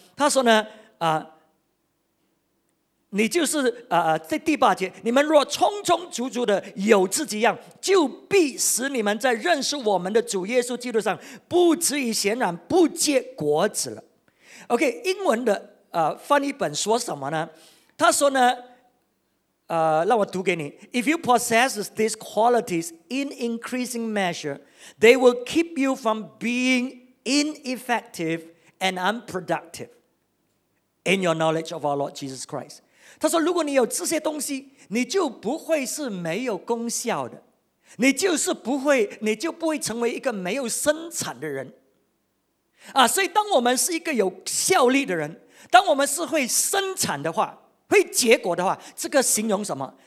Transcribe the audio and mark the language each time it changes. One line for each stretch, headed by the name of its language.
Chinese: 他说呢你就是在第八节，你们若充充足足的有这几样，就必使你们在认识我们的主耶稣基督上不至于显然不结果子了。 OK， 英文的翻译本说什么呢？他说呢让我读给你。
English: If you possess these qualities in increasing measure, they will keep you from being ineffective and unproductive in your knowledge of our Lord Jesus Christ。
Chinese: 他说如果你有这些东西，你就不会是没有功效的，你就不会成为一个没有生产的人所以当我们是一个有效力的人，当我们是会生产的话，会结果的话，这个形容什么？